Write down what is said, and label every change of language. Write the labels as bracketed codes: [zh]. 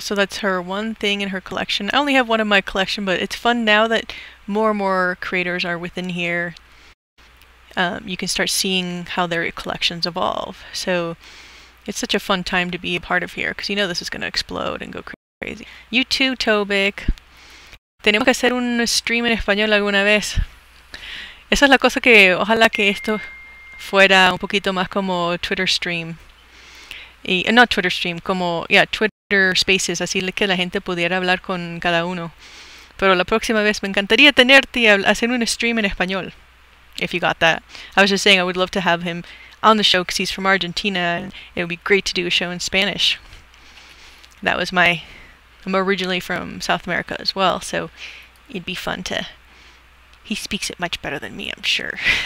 [en] So that's her one thing in her collection. I only have one in my collection, but it's fun now that more and more creators are within here. You can start seeing how their collections evolve. So it's such a fun time to be a part of here because you know this is going to explode and go crazy. You too, Tobik. [es] Tenemos que hacer un stream en español alguna vez. Esa es la cosa que ojalá que esto fuera un poquito más como Twitter stream. [en] Not Twitter stream, [es] como, [en] yeah, [es] Twitter spaces, así que la gente pudiera hablar con cada uno. Pero la próxima vez me encantaría tenerte y hacer un stream en español. [en] If you got that. I was just saying I would love to have him on the show because he's from Argentina and it would be great to do a show in Spanish. That was my... I'm originally from South America as well, so it'd be fun to... He speaks it much better than me, I'm sure.